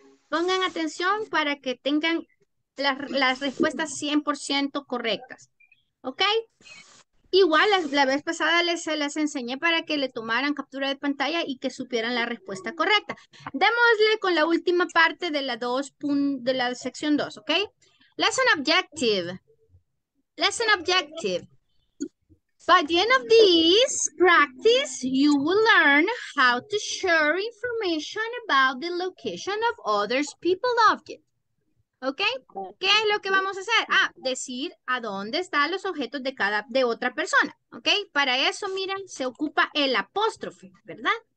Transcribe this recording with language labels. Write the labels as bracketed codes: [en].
[es] Pongan atención para que tengan las respuestas 100% correctas, ¿ok? Igual la vez pasada se las enseñé para que le tomaran captura de pantalla y que supieran la respuesta correcta. Démosle con la última parte de la sección 2, ¿ok? [en] Lesson objective. Lesson objective. By the end of this practice, you will learn how to share information about the location of other people's objects. [es] ¿Ok? ¿Qué es lo que vamos a hacer? Ah, decir a dónde están los objetos de cada de otra persona. ¿Ok? Para eso, miren, se ocupa el apóstrofe, ¿verdad?